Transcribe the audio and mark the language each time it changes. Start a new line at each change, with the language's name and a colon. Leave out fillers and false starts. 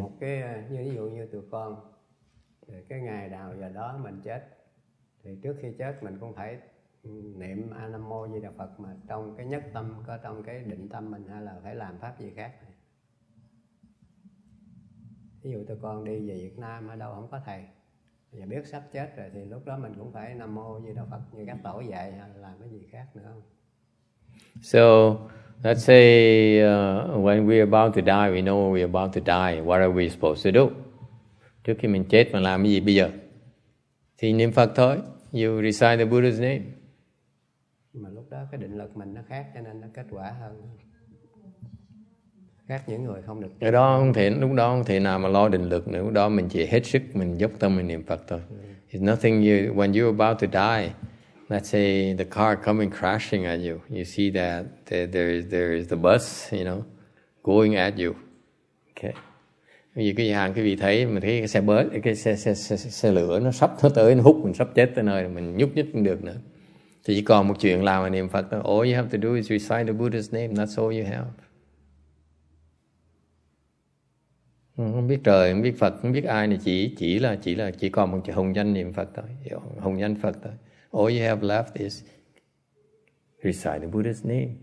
Vietnamese: Một cái, như ví dụ như tụi con, cái ngày nào giờ đó mình chết, thì trước khi chết mình cũng phải niệm A Nam Mô Di Đà Phật, mà trong cái nhất tâm, có trong cái định tâm mình, hay là phải làm pháp gì khác. Ví dụ tụi con đi về Việt Nam ở đâu không có thầy, và biết sắp chết rồi thì lúc đó mình cũng phải Nam Mô Di Đà Phật như các tổ dạy, hay làm cái gì khác nữa không?
English: So let's say when we're about to die, we know we're about to die. What are we supposed to do?
Vietnamese: Trước khi mình chết, mình làm cái gì bây giờ? Thì niệm Phật thôi.
English: You recite the Buddha's name.
Vietnamese: Mà lúc đó cái định lực mình nó khác, cho nên nó kết quả hơn. Khác những người không được. Cái đó không thể, lúc đó không thể nào mà lo định lực nữa. Lúc đó mình chỉ hết sức, mình dốc tâm mình niệm Phật thôi.
English: It's nothing you, when you're about to die, let's say the car coming crashing at you. You see that there is the bus, you know, going at you. Okay.
Vietnamese: Vì cái hàng cái vị thấy mình thấy cái xe bớt, cái xe lửa nó sắp nó tới, nó hút mình sắp chết tới nơi, mình nhúc nhích không được nữa. Thì chỉ còn một chuyện làm là niệm Phật thôi.
English: All you have to do is recite the Buddha's name. That's all you have.
Vietnamese: Không biết trời, không biết Phật, không biết ai này, chỉ là chỉ còn một chuyện hồng danh niệm Phật thôi, hồng danh Phật thôi.
English: All you have left is recite the Buddha's name.